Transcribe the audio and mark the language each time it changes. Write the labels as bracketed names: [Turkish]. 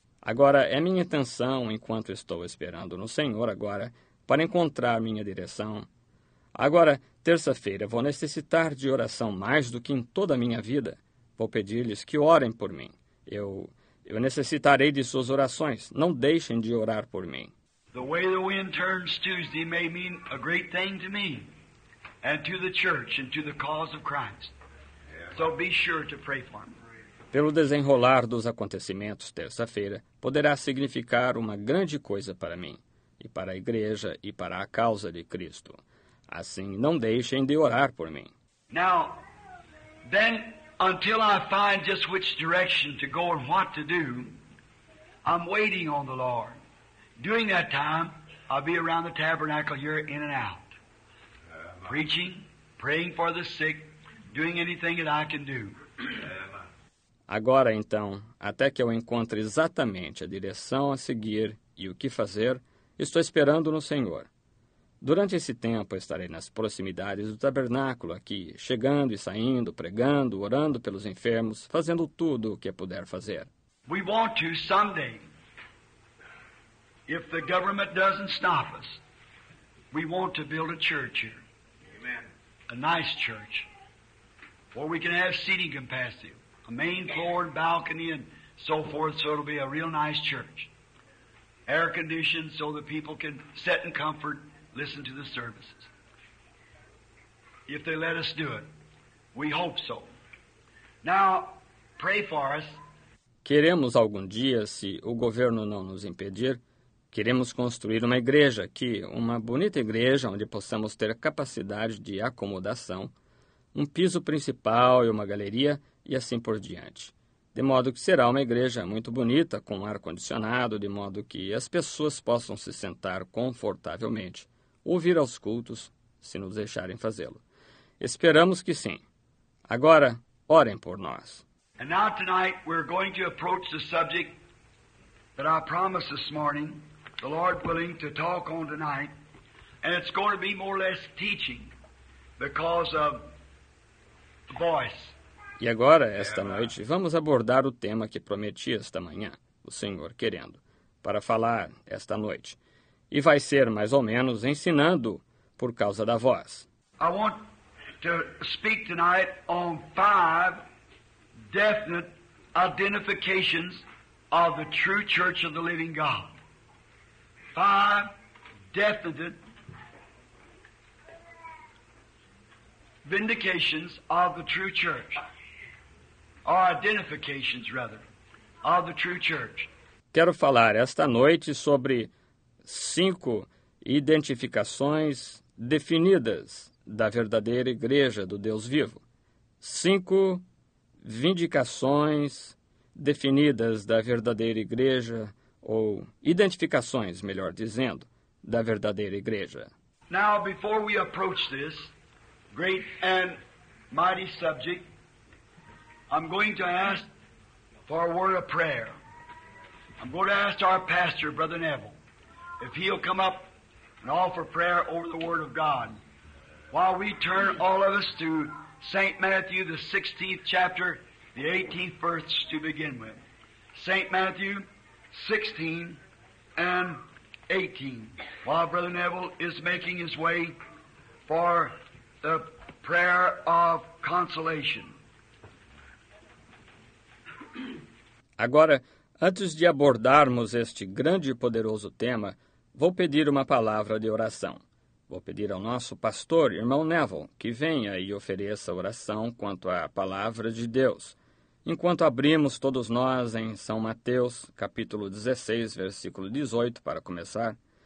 [Portuguese] Agora, é minha intenção, enquanto estou esperando no Senhor agora, para encontrar minha direção. Agora, terça-feira, vou necessitar de oração mais do que em toda a minha vida. Vou pedir-lhes que orem por mim. Eu necessitarei de suas orações. Não deixem de orar por mim. [English] The way the wind turns Tuesday may mean a great thing to me and to the church and to the cause of Christ. So be sure to pray for me. [Portuguese] Pelo desenrolar dos acontecimentos terça-feira, poderá significar uma grande coisa para mim, e para a igreja e para a causa de Cristo. Assim, não deixem de orar por mim. [English] Now, then, until I find just which direction to go and what to do, I'm waiting on the Lord. During that time, I'll be around the tabernacle here in and out, preaching, praying for the sick, doing anything that I can do. [Portuguese] Agora, então, até que eu encontre exatamente a direção a seguir e o que fazer, estou esperando no Senhor. Durante esse tempo, estarei nas proximidades do tabernáculo aqui, chegando e saindo, pregando, orando pelos enfermos, fazendo tudo o que puder fazer. [English] We want to someday, if the government doesn't stop us, we want to build a church here. Amen. A nice church, where we can have seating capacity. A main floor and balcony and so forth, so it'll be a real nice church. Air conditioned so the people can sit in comfort, listen to the services. If they let us do it, We hope so. Now, pray for us. [Portuguese] Queremos algum dia, se o governo não nos impedir, queremos construir uma igreja aqui, uma bonita igreja onde possamos ter capacidade de acomodação, um piso principal e uma galeria e assim por diante. De modo que será uma igreja muito bonita, com ar-condicionado, de modo que as pessoas possam se sentar confortavelmente, ouvir aos cultos, se nos deixarem fazê-lo. Esperamos que sim. Agora, orem por nós. [English] And now tonight we're going to approach the subject that I promised this morning, the Lord willing, to talk on tonight, and it's going to be more or less teaching because of the voice. [Portuguese] E agora, esta noite, vamos abordar o tema que prometi esta manhã, o Senhor querendo, para falar esta noite. E vai ser, mais ou menos, ensinando por causa da voz. [English] I want to speak tonight on five definite identifications of the true church of the living God. Five definite vindications of the true church. Or identifications, rather, of the true church. [Portuguese] Quero falar esta noite sobre cinco identificações definidas da verdadeira igreja do Deus vivo. Cinco vindicações definidas da verdadeira igreja, ou identificações, melhor dizendo, da verdadeira igreja. [English] Now, before we approach this great and mighty subject, I'm going to ask for a word of prayer. I'm going to ask our pastor, Brother Neville, if he'll come up and offer prayer over the Word of God while we turn all of us to St. Matthew, the 16th chapter, the 18th verse to begin with. St. Matthew 16 and 18, while Brother Neville is making his way for the prayer of consolation. [Portuguese] Agora, antes de abordarmos este grande e poderoso tema, vou pedir uma palavra de oração. Vou pedir ao nosso pastor, irmão Neville, que venha e ofereça oração quanto à palavra de Deus, enquanto abrimos todos nós em São Mateus, capítulo 16, versículo 18, para começar.